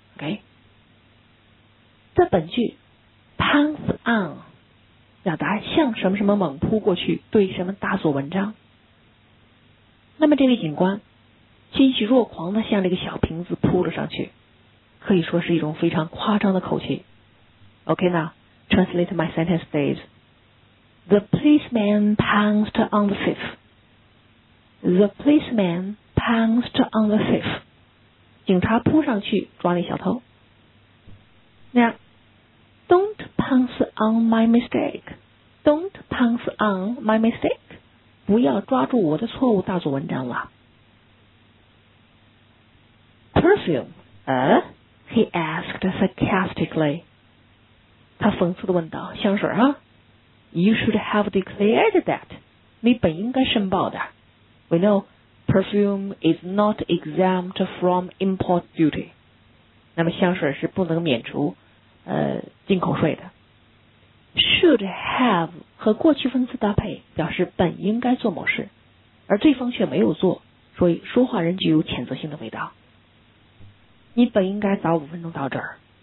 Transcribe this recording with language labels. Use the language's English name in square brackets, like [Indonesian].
[Chinese] OK， 在本句 pounce on。表达向什么什么猛扑过去，对什么大做文章。那么这位警官欣喜若狂的向这个小瓶子扑了上去，可以说是一种非常夸张的口气。 [English] OK now translate my sentence says The policeman pounced on the thief. The policeman pounced on the thief. [Chinese] 警察扑上去抓那小偷。 [English] NowDon't pounce on my mistake. Don't pounce on my mistake. [Chinese] 不要抓住我的错误大做文章了。 [English] Perfume, he asked sarcastically. [Chinese] 他讽刺地问道，香水啊。 [English] You should have declared that. [Chinese] 你本应该申报的。 [English] We know perfume is not exempt from import duty. [Chinese] 那么香水是不能免除进口税的。 Should have 和过去分词搭配表示本应该做某事，而对方却没有做，所以说话人具有谴责性的味道。你本应该早五分钟到这儿。